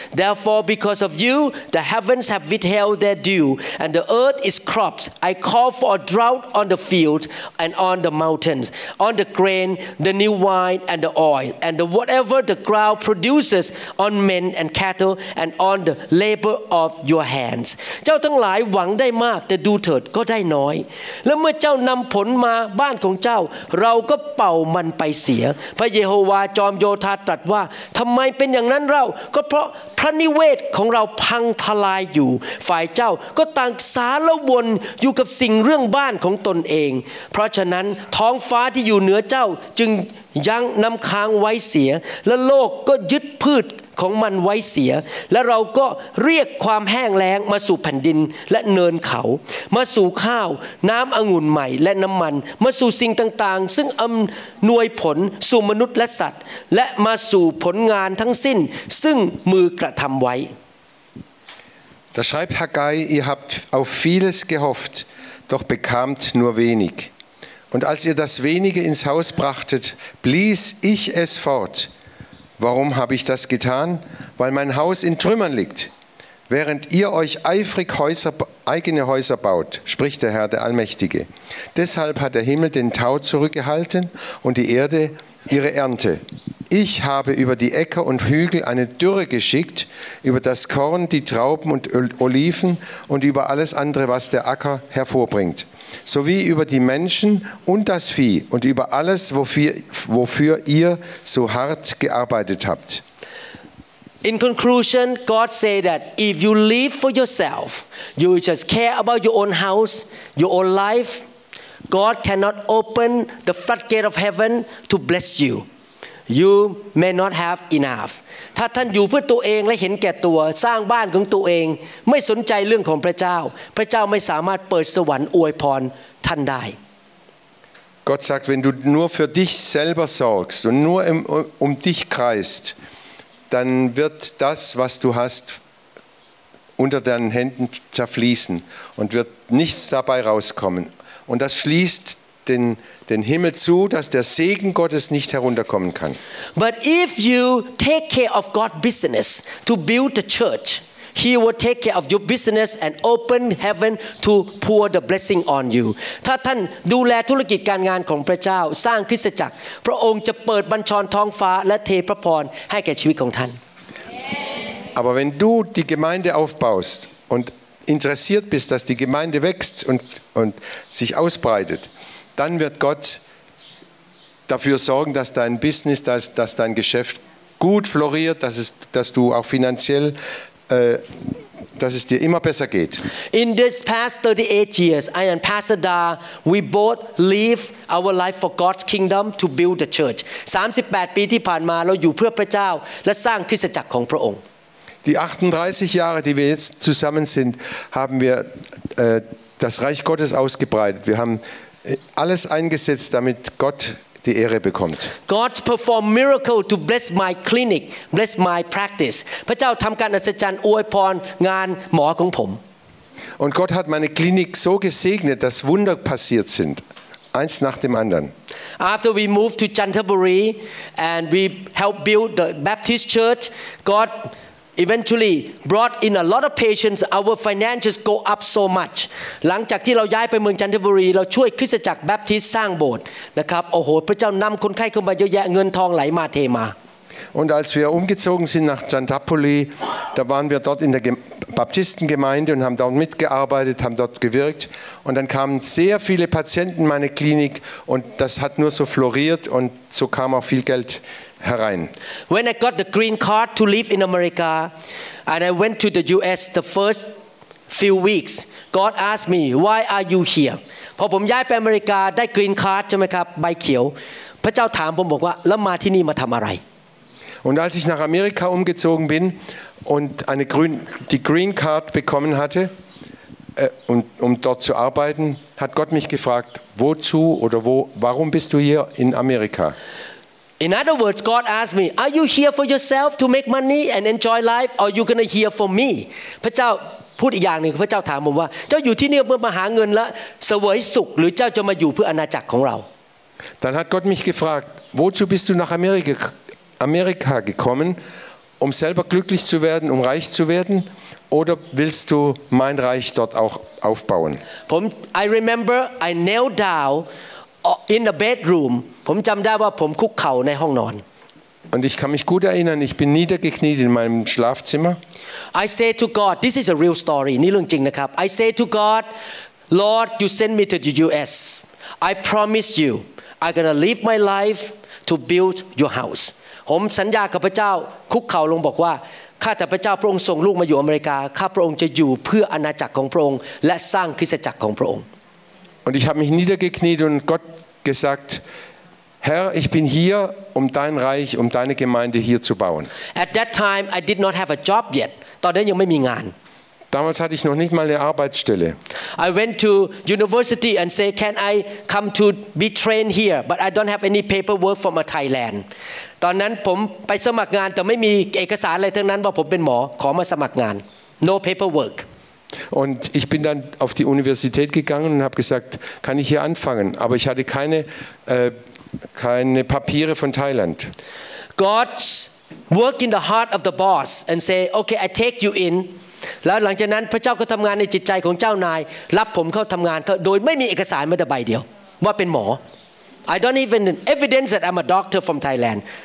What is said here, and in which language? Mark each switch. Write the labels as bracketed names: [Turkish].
[English] Therefore, because of you, the heavens have withheld their dew, and the earth is crops. I call for a drought on the fields and on the mountains, on the grain, the new wine, and the oil, and the whatever the ground produces on men and cattle, and on the labor of your hands. [Thai] เจ้าทั้งหลายหวังได้มากแต่ดูเถิดก็ได้น้อยแล้วเมื่อเจ้านำผลมาบ้านของเจ้าเราก็เป่ามันไปเสียพระเยโฮวาจอมโยธาตรัสว่าทำไมเป็นอย่างนั้นเราก็เพราะพระนิเวศของเราพังทลายอยู่ฝ่ายเจ้าก็ต่างสารวนอยู่กับสิ่งเรื่องบ้านของตนเองเพราะฉะนั้นท้องฟ้าที่อยู่เหนือเจ้าจึง ยั้งน้ำค้างไว้เสียและโลกก็ยึดพืชของมันไว้เสียและเราก็เรียกความแห้งแล้งมาสู่แผ่นดินและเนินเขามาสู่ข้าวน้ำองุ่นใหม่และน้ำมันมาสู่สิ่งต่างๆซึ่งอำนวยผลสู่มนุษย์และสัตว์และมาสู่ผลงานทั้งสิ้นซึ่งมือกระทำไว้ [German] Da schreibt Haggai, ihr habt auf vieles gehofft, doch bekamt nur wenig. Und als ihr das wenige ins Haus brachtet, blies ich es fort. Warum habe ich das getan? Weil mein Haus in Trümmern liegt. Während ihr euch eifrig eigene Häuser baut, spricht der Herr der Allmächtige. Deshalb hat der Himmel den Tau zurückgehalten und die Erde ihre Ernte. Ich habe über die Äcker und Hügel eine Dürre geschickt, über das Korn, die Trauben und Oliven und über alles andere, was der Acker hervorbringt, sowie über die Menschen und das Vieh und über alles, wofür ihr so hart gearbeitet habt. [English] In conclusion, God said that if you live for yourself, you just care about your own house, your own life, God cannot open the floodgate of heaven to bless you. You may not have enough. [Thai] ถ้าท่านอยู่เพื่อตัวเองและเห็นแก่ตัวสร้างบ้านของตัวเองไม่สนใจเรื่องของพระเจ้าพระเจ้าไม่สามารถเปิดสวรรค์อวยพรท่านได้ [German] Gott sagt, wenn du nur für dich selber sorgst und nur um dich kreist, dann wird das, was du hast, unter deinen Händen zerfließen und wird nichts dabei rauskommen. Und das schließt den Himmel zu, dass der Segen Gottes nicht herunterkommen kann. [English] But if you take care of God's business to build the church, He will take care of your business and open heaven to pour the blessing on you. [Thai] ถ้าท่านดูแลธุรกิจการงานของพระเจ้าสร้างคริสตจักรพระองค์จะเปิดบัญชรท้องฟ้าและเทพระพรให้แก่ชีวิตของท่าน [German] Aber wenn du die Gemeinde aufbaust und interessiert bist, dass die Gemeinde wächst und sich ausbreitet, dann wird Gott dafür sorgen, dass dein Business, dass dein Geschäft gut floriert, dass du auch finanziell dass es dir immer besser geht. [English] In this past 38 years, I and Pastor Da, we both live our life for God's kingdom to build the church. [Thai] 38 ปีที่ผ่านมาเราอยู่เพื่อพระเจ้าและสร้างคริสตจักรของพระองค์ [German] Die 38 Jahre, die wir jetzt zusammen sind, haben wir das Reich Gottes ausgebreitet. Wir haben alles eingesetzt, damit Gott die Ehre bekommt. [English] God performed miracle to bless my clinic, bless my practice. [Thai] พระเจ้าทําการอัศจรรย์อวยพรงานหมอของผม [German] Und Gott hat meine Klinik so gesegnet, dass Wunder passiert sind, eins nach dem anderen. [English] After we moved to Canterbury and we helped build the Baptist church, God eventually brought in a lot of patients. Our finances go up so much. [Thai] หลังจากที่เราย้ายไปเมืองจันทบุรีเราช่วยคริสตจักรแบปทิสต์สร้างโบสถ์นะครับโอ้โหพระเจ้านำคนไข้เข้ามาเยอะแยะเงินทองไหลมาเทมา [German] Und als wir umgezogen sind nach Canterbury, da waren wir dort in der Baptistengemeinde und haben dort mitgearbeitet, haben dort gewirkt. Und dann kamen sehr viele Patienten in meine Klinik und das hat nur so floriert und so kam auch viel Geld. Herein. [English] When I got the green card to live in America, and I went to the U.S. the first few weeks, God asked me, "Why are you here?" [Thai] พอผมย้ายไปอเมริกาได้ green card ใช่ไหมครับใบเขียวพระเจ้าถามผมบอกว่าแล้วมาที่นี่มาทำอะไร [German] Und als ich nach Amerika umgezogen bin und die green card bekommen hatte, und dort zu arbeiten, hat Gott mich gefragt, wozu oder wo, warum bist du hier in Amerika? [English] In other words, God asked me, "Are you here for yourself to make money and enjoy life, or are you gonna here for me?" [Thai] พระเจ้าพูดอีกอย่างนึงพระเจ้าถามผมว่าเจ้าอยู่ที่นี่เพื่อมาหาเงินและเสวยสุขหรือเจ้าจะมาอยู่เพื่ออาณาจักรของเรา [German] Dann hat Gott mich gefragt, "Wozu bist du nach Amerika gekommen, um selber glücklich zu werden, um reich zu werden, oder willst du mein Reich dort auch aufbauen?" [English] I remember I knelt down in the bedroom. [Thai] ผมจำได้ว่าผมคุกเข่าในห้องนอน [German] Und ich kann mich gut erinnern, ich bin niedergekniet in meinem Schlafzimmer. [English] I say to God, this is a real story, [Thai] นี่เรื่องจริงนะครับ [English] I say to God, Lord, you send me to the US. I promise you, I'm gonna live my life to build your house. [Thai] ผมสัญญากับพระเจ้าคุกเข่าลงบอกว่าข้าแต่พระเจ้าพระองค์ส่งลูกมาอยู่อเมริกาข้าพระองค์จะอยู่เพื่ออาณาจักรของพระองค์และสร้างคริสตจักรของพระองค์ [German] Und ich habe mich niedergekniet und Gott gesagt,Herr, ich bin hier, um dein Reich, um deine Gemeinde hier zu bauen. [English] At that time, I did not have a job yet. [Thai] ตอนนั้นยังไม่มีงาน [German] Damals hatte ich noch nicht mal eine Arbeitsstelle. [English] I went to university and say, "Can I come to be trained here?" But I don't have any paperwork from a Thailand. [Thai] ตอนนั้นผมไปสมัครงานแต่ไม่มีเอกสารอะไรทั้งนั้นว่าผมเป็นหมอขอมาสมัครงาน [English] No paperwork. [German] Und ich bin dann auf die Universität gegangen und habe gesagt, kann ich hier anfangen? Aber ich hatte keine Papiere von Thailand. [English] God worked in the heart of the boss and say, "Okay, I take you in." [Thai] แล้วหลังจากนั้นพระเจ้าก็ทำงานในจิตใจของเจ้านายรับผมเข้าทำงานโดยไม่มีเอกสารแม้แต่ใบเดียวว่าเป็นหมอ [English] I don't even evidence that I'm a doctor from Thailand.